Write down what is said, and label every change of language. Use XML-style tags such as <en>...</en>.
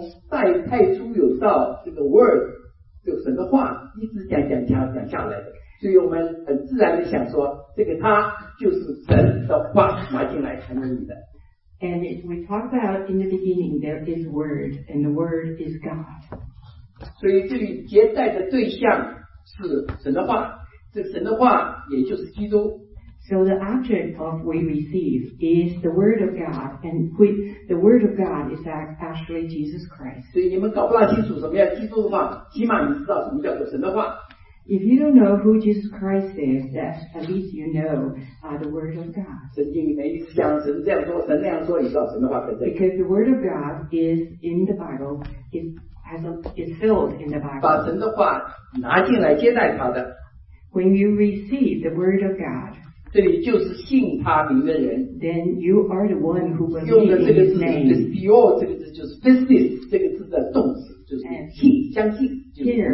<zh>好了，我刚刚稍微讲到一点说，这里讲他是一直从带太初有道这个 word。就神的话一直讲讲讲讲下来的，所以我们很自然的想说，这个他就是神的话拿进来成为你的。</zh> <en>And we talked about in the beginning there is word and the word is God.</en> <zh>所以这里接待的对象是神的话，这神的话也就是基督。</zh> <en>So the object of we receive is the word of God and the word of God is that. Jesus Christ.</en> <zh>所以你们搞不大清楚什么叫基督的话，起码你知道什么叫做神的话。</zh> <en>If you don't know who Jesus Christ is, that at least you know the word of God.</en> <zh>圣经里面一讲神这样说，神那样说，你知道神的话。</zh> <en>Because the word of God is in the Bible, is filled in the Bible.</en> <zh>把神的话拿进来接待他的。</zh> <en>When you receive the word of God,</en> <zh>这里就是信他名的人,</zh> <en>then you are the one who believes in his name.</en> <zh>用的这个字，这个字的动词，就是信，相信。</zh> <en>Here</en>